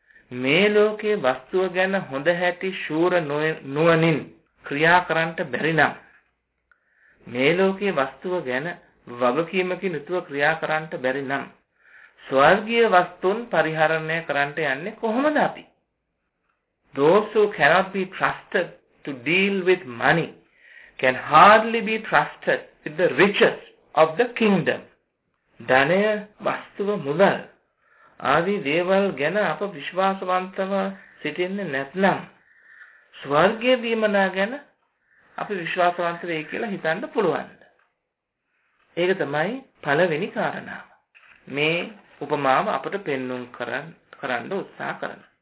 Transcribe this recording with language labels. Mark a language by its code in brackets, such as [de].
[si] මේ ලෝකයේ වස්තුව ගැන හොඳ හැටි ශූර නුවණින් ක්‍රියා කරන්නට බැරි නම්, මේ ලෝකයේ වස්තුව ගැන වගකීමකින් යුතුව ක්‍රියා කරන්නට බැරි නම්, ස්වර්ගීය වස්තුන් පරිහරණය කරන්නට යන්නේ කොහොමද අපි? [en] Those who cannot be trusted to deal with money can hardly be trusted with the riches of the kingdom. [si] ධනය, වස්තුව, මුදල් ආදී දේවල් ගැන අප විශ්වාසවන්තව සිටින්නේ නැත්නම් ස්වර්ගීය දීමනා ගැන අපි විශ්වාසවන්ත වෙයි කියලා හිතන්න පුළුවන්. ඒක තමයි පළවෙනි කාරණාව. මේ උපමාව අපට පෙන්වුම් කරන්න උත්සාහ කරන.